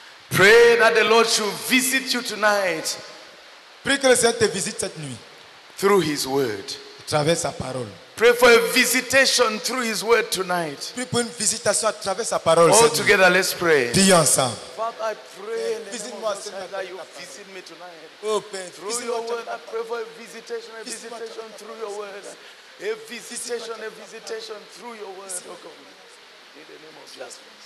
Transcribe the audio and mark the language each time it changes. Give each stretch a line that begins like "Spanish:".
English: Pray that the Lord should visit you tonight.
French: Prie que le Seigneur te visite cette nuit.
English: Through his word.
French: À travers sa parole.
English: Pray for a visitation through his word tonight.
French: Prie pour une visitation à travers sa parole.
English: All together, let's pray.
French: Dis ensemble.
English: Father, I pray that you visit me tonight.
French: Oh, Père,
English: through your word, I pray for a visitation through your word. A visitation through your word, oh God. In the name of Jesus.